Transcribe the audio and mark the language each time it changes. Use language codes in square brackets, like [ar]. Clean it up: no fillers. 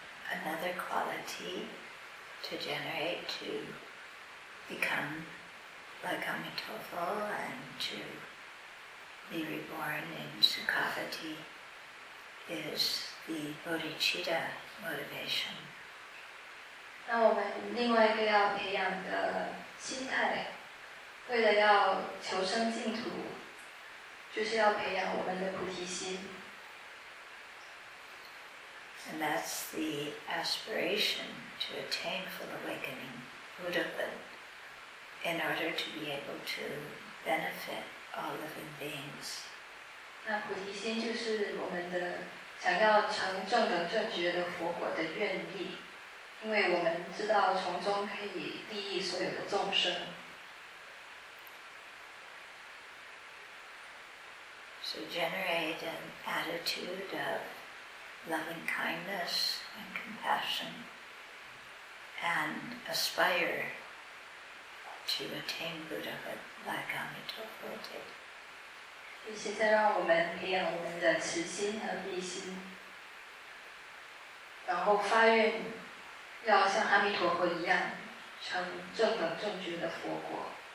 [en] Another quality to generate to become like Amitabha and to be reborn in Sukhavati is the bodhicitta motivation. [zh] 那我们另外一个要培养的心态，为了要求生净土，就是要培养我们的菩提心。 [en] And that's the aspiration to attain full awakening, Buddhahood, in order to be able to benefit all living beings. [zh] 那菩提心就是我们的想要成正等正觉的佛果的愿力，因为我们知道从中可以利益所有的众生。 [en] So generate an attitude of loving kindness and compassion and aspire to attain Buddhahood like Amitabha did. [zh] 现在让我们培养我们的慈心和悲心，然后发愿要像阿弥陀佛一样，成正等正觉的佛果。